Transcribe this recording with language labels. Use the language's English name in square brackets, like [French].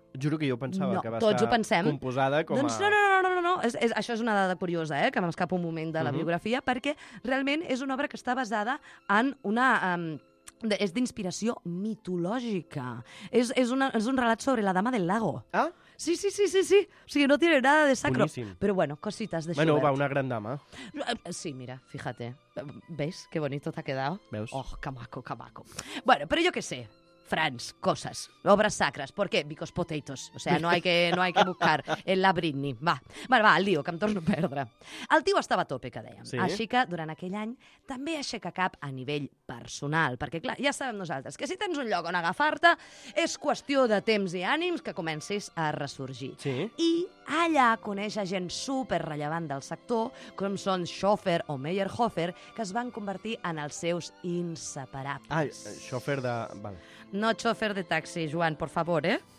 [Catalan] Juro que jo pensava que va estar composada com a... Doncs no. Això és una dada curiosa, que m'escapa un moment de la biografia, perquè realment és una obra que està basada en una... És d'inspiració mitològica. És un relat sobre la dama del lago. Ah? Sí. O sigui, [Spanish] no tiene nada de sacro. [Catalan] Boníssim. Però bueno, cosites de Schubert. Bueno, va, una gran dama. [Spanish] Sí, mira, fíjate. ¿Ves qué bonito t'ha quedado? [Catalan] ¿Veus? Oh, que maco, que maco. Bueno, però jo què sé. Frans, coses, obres sacres. [Spanish] ¿Por qué? [English] Because potatoes. [Spanish] O sea, no hay que buscar en la Britney. [Catalan] Va, bueno, va, el lío, que em torno a perdre. El tio estava a tope, que dèiem. Sí. Així que durant aquell any també aixeca cap a nivell personal. Perquè, clar, ja sabem nosaltres que si tens un lloc on agafar-te és qüestió de temps i ànims que comencis a ressorgir. Sí. I allà coneix a gent super rellevant del sector, com són Schoffer o Meyerhofer, que es van convertir en els seus inseparables. Ah, Schoffer de... Vale. [Spanish] No chofer de taxi, Joan, por favor, ¿eh?